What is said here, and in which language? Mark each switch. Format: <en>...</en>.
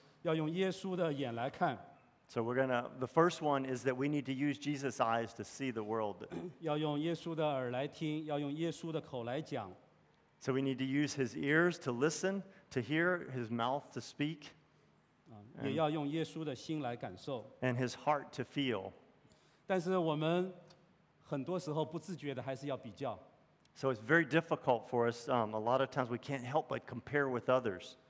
<zh>当然我加一些细节就是要用耶稣的眼来看。</zh> <en>So the first one is that we need to use Jesus' eyes to see the world.</en> <zh>要用耶稣的耳来听, 要用耶稣的口来讲。</zh> <en>So we need to use His ears to listen, to hear, His mouth to speak.</en> <zh>也要用耶稣的心来感受。</zh> <en>And His heart to feel.</en> <zh>但是我们很多时候不自觉的还是要比较。</zh> <en>So it's very difficult for us. A lot of times we can't help but compare with others.</en>